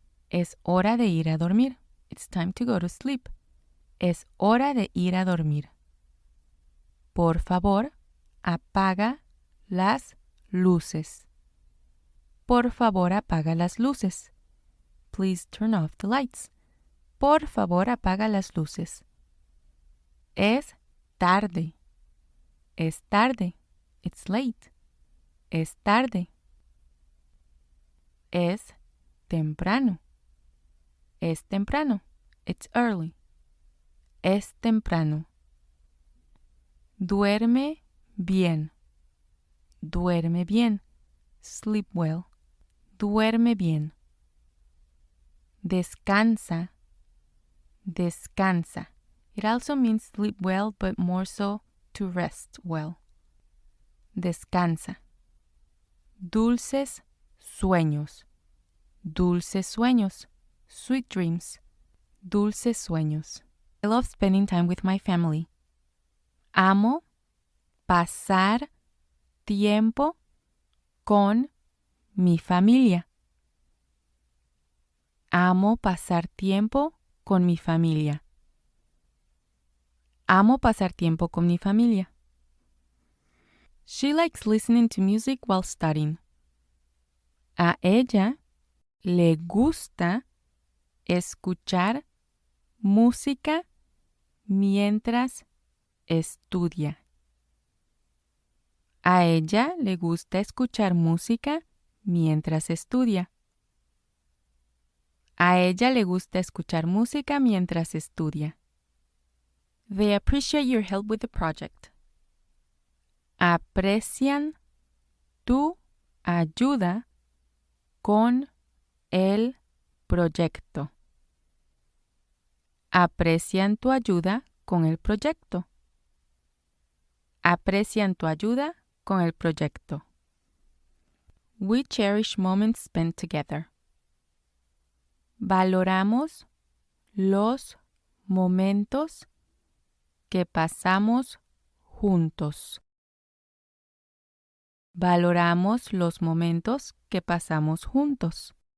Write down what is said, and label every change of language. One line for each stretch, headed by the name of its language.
Spanish: Es hora de ir a dormir.
English: It's time to go to sleep.
Spanish: Es hora de ir a dormir. Por favor, apaga las luces. Por favor, apaga las luces.
English: Please turn off the lights.
Spanish: Por favor, apaga las luces. Es tarde. Es tarde.
English: It's late.
Spanish: Es tarde. Es temprano. Es temprano.
English: It's early.
Spanish: Es temprano. Duerme bien. Duerme bien.
English: Sleep well.
Spanish: Duerme bien. Descansa. Descansa.
English: It also means sleep well, but more so to rest well.
Spanish: Descansa. Dulces sueños. Dulces sueños.
English: Sweet dreams.
Spanish: Dulces sueños.
English: I love spending time with my family.
Spanish: Amo pasar tiempo con mi familia. Amo pasar tiempo con mi familia. Amo pasar tiempo con mi familia.
English: She likes listening to music while studying.
Spanish: A ella le gusta escuchar música mientras estudia. A ella le gusta escuchar música mientras estudia. A ella le gusta escuchar música mientras estudia.
English: They appreciate your help with the project.
Spanish: Aprecian tu ayuda con el proyecto. Aprecian tu ayuda con el proyecto. Aprecian tu ayuda con el proyecto.
English: We cherish moments spent together.
Spanish: Valoramos los momentos que pasamos juntos. Valoramos los momentos que pasamos juntos.